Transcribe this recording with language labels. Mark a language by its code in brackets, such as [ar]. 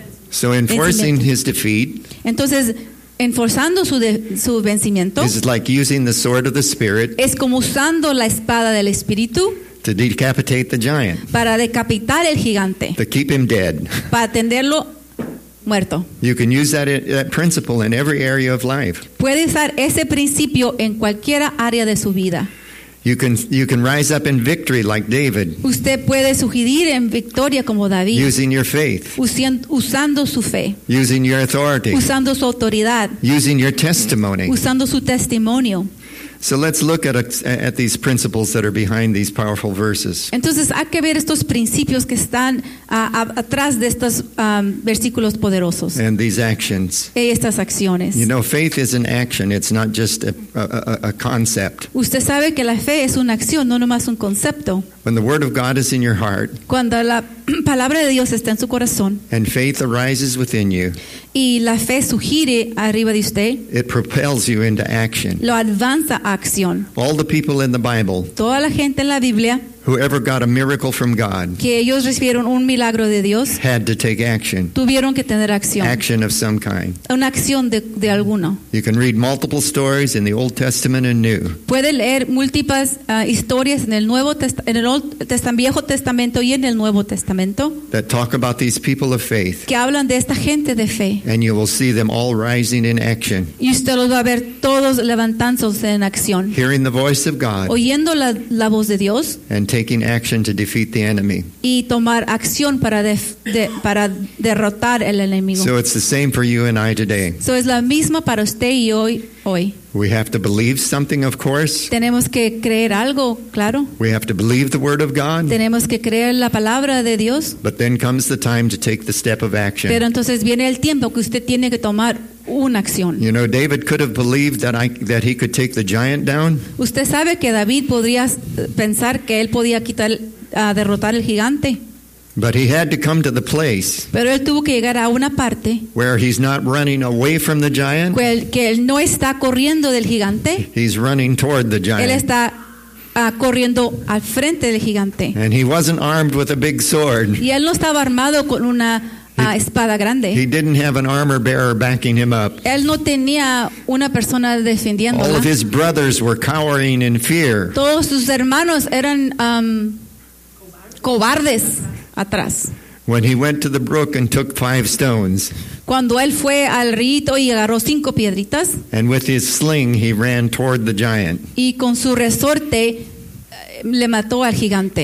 [en] So enforcing his defeat. [es] Entonces, enforzando su vencimiento. [en] Is like using the sword of the Spirit. [es] Es como usando la espada del Espíritu. [en] To decapitate the giant. [es] Para decapitar el gigante. [en] To keep him dead. [es] Para tenerlo muerto. [en] You can use that principle in every area of life. [es] Puede usar ese principio en cualquier área de su vida. [en] You can rise up in victory like David. [es] Usted puede surgir en victoria como David. [en] Using your faith. [es] Usando su fe. [en] Using your authority. [es] Usando su autoridad. [en] Using your testimony. [es] Usando su testimonio. [en] So let's look at these principles that are behind these powerful verses. [es] Entonces hay que ver estos principios que están atrás de estos versículos poderosos. [en] And these actions. [es] Y estas acciones. [en] You know, faith is an action. It's not just a concept. [es] Usted sabe que la fe es una acción, no nomás un concepto. [en] When the word of God is in your heart. [es] Cuando la palabra de Dios está en su corazón. [en] And faith arises within you. [es] Y la fe surge arriba de usted. [en] It propels you into action. [es] Lo avanza a acción. [en] All the people in the Bible. [es] Toda la gente en la Biblia. [en] Whoever got a miracle from God. [es] Que ellos recibieron un milagro de Dios. [en] Had to take action. [es] Tuvieron que tener acción. [en] Action of some kind. [es] Una acción de alguno. [en] You can read multiple stories in the Old Testament and New. [es] Puede leer múltiples historias en el Nuevo Testamento, en el Viejo Testamento y en el Nuevo Testamento. [en] That talk about these people of faith. [es] Que hablan de esta gente de fe. [en] And you will see them all rising in action. [es] Y usted los va a ver todos levantándose en acción. [en] Hearing the voice of God. [es] Oyendo la voz de Dios. [en] And taking action to defeat the enemy. [es] Y tomar acción para derrotar el enemigo. [en] So it's the same for you and I today. [es] So es la misma para usted y hoy hoy. [en] We have to believe something, of course. [es] Tenemos que creer algo, claro. [en] We have to believe the word of God. [es] Tenemos que creer la palabra de Dios. [en] But then comes the time to take the step of action. [es] Pero entonces viene el tiempo que usted tiene que tomar una acción. [en] You know, David could have believed that he could take the giant down. [es] Usted sabe que David podría pensar que él podía quitar a derrotar al gigante. [en] But he had to come to the place. [es] Pero él tuvo que llegar a una parte. [en] Where he's not running away from the giant. [es] Que él no está corriendo del gigante. [en] He's running toward the giant. [es] Él está corriendo al frente del gigante. [en] And he wasn't armed with a big sword. [es] Y él no estaba armado con una espada grande. [en] He didn't have an armor bearer backing him up. [es] Él no tenía una persona defendiéndola. [en] All of his brothers were cowering in fear. [es] Todos sus hermanos eran cobardes. Atrás. [en] When he went to the brook and took five stones. [es] Cuando él fue al río y agarró cinco piedritas. [en] And with his sling he ran toward the giant. [es] Y con su resorte le mató al gigante.